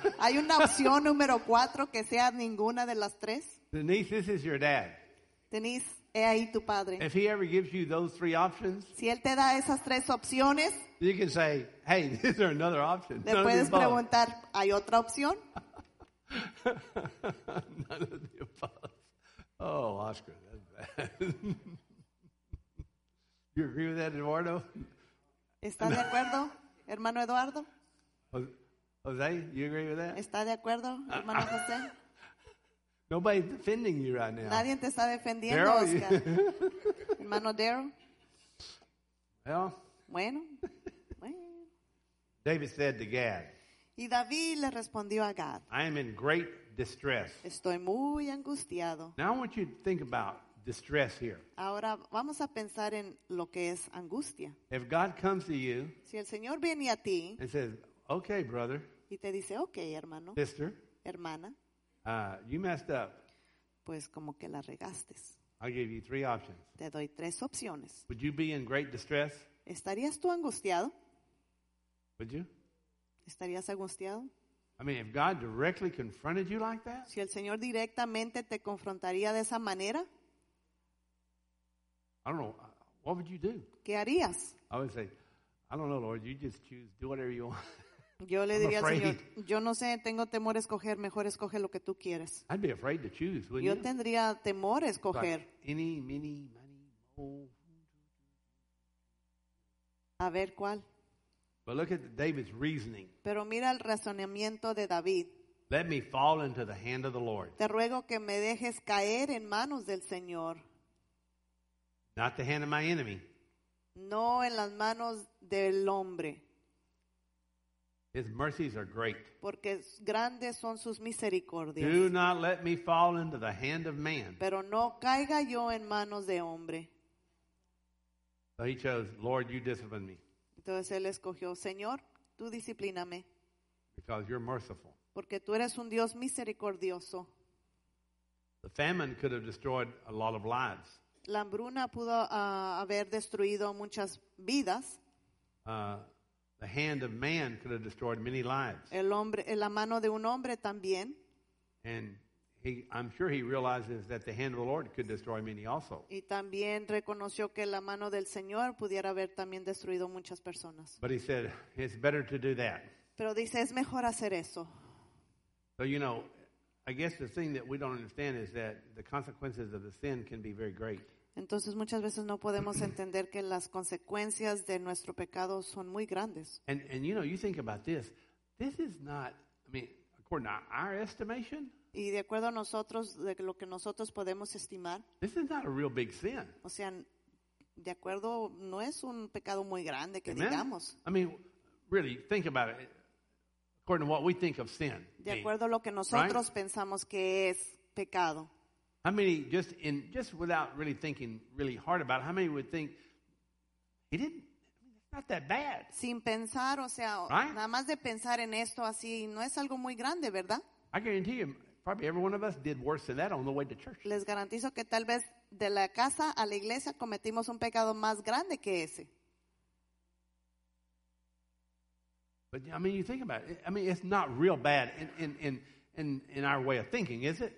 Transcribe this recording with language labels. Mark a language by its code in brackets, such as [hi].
[es] Hay una opción número 4 que sea ninguna de las tres. [en] Denise, this is your dad. [es] Denise, he ahí tu padre. [en] If he ever gives you those 3 options, [es] si él te da esas 3 opciones, [en] you can say, hey, is there another option? [es] Le puedes preguntar, ¿hay otra opción? [en] None of the above. Oh, Oscar, that's bad. You agree with that, Eduardo? [es] ¿Está de acuerdo, hermano Eduardo? [en] Jose, you agree with that? [es] ¿Está de acuerdo, hermano José? [en] Nobody's defending you right now. [es] Nadie te está defendiendo, Darryl, Oscar. Hermano Darryl. [en] Well. [es] Bueno. [en] David said to Gad, [es] y David le respondió a Gad, [en] I am in great distress. [es] Estoy muy angustiado. [en] Now I want you to think about distress here. [es] Ahora vamos a pensar en lo que es angustia. [en] If God comes to you, [es] si el Señor viene a ti, [en] and says, okay, brother, [es] y te dice, okay, hermano, [en] sister, [es] hermana, [en] you messed up. [es] Pues como que la regaste. [en] I'll give you three options. [es] Te doy tres opciones. [en] Would you be in great distress? [es] ¿Estarías tú angustiado? [en] Would you? [es] ¿Estarías angustiado? [en] I mean, if God directly confronted you like that? [es] Si el Señor directamente te confrontaría de esa manera? [en] I don't know. What would you do? [es] ¿Qué harías? [en] I would say, I don't know, Lord. You just choose. Do whatever you want. [es] Yo le diría al Señor, yo no sé, tengo temor a escoger, mejor escoge lo que tú quieres. [en] I'd be afraid to choose, wouldn't [es] yo [en] you? [es] Tendría temor a escoger. [en] Like, any, mini, money, more. [es] A ver, ¿cuál? [en] But look at David's reasoning. [es] Pero mira el razonamiento de David. [en] Let me fall into the hand of the Lord. [es] Te ruego que me dejes caer en manos del Señor. [en] Not the hand of my enemy. [es] No en las manos del hombre. [en] His mercies are great. [es] Porque grandes son sus misericordias. [en] Do not let me fall into the hand of man. [es] Pero no caiga yo en manos de hombre. [en] So he chose, Lord, you discipline me. [es] Entonces él escogió, Señor, tú disciplíname. [en] Because you're merciful. [es] Porque tú eres un Dios misericordioso. [en] The famine could have destroyed a lot of lives. [es] La hambruna pudo haber destruido muchas vidas. [en] The hand of man could have destroyed many lives. [es] El hombre, la mano de un hombre también. [en] And I'm sure he realizes that the hand of the Lord could destroy many also. [es] Y también reconoció que la mano del Señor pudiera haber también destruido muchas personas. [en] But he said, it's better to do that. [es] Pero dice, es mejor hacer eso. [en] So, you know, I guess the thing that we don't understand is that the consequences of the sin can be very great. [es] Entonces muchas veces no podemos entender que las consecuencias de nuestro pecado son muy grandes. [en] And you know, you think about this. This is not, I mean, according to our estimation. [es] Y de acuerdo a nosotros, de lo que nosotros podemos estimar. [en] This is not a real big sin. [es] O sea, de acuerdo, no es un pecado muy grande que digamos. [en] I mean, really, think about it. According to what we think of sin. [es] De acuerdo a lo que nosotros pensamos que es pecado. [en] How many, just without really thinking really hard about it, how many would think, he didn't, it's not that bad. [es] Sin pensar, o sea, [en] right? [es] Nada más de pensar en esto así, no es algo muy grande, ¿verdad? [en] I guarantee you, probably every one of us did worse than that on the way to church. [es] Les garantizo que tal vez de la casa a la iglesia cometimos un pecado más grande que ese. [en] But, I mean, you think about it. I mean, it's not real bad in our way of thinking, is it?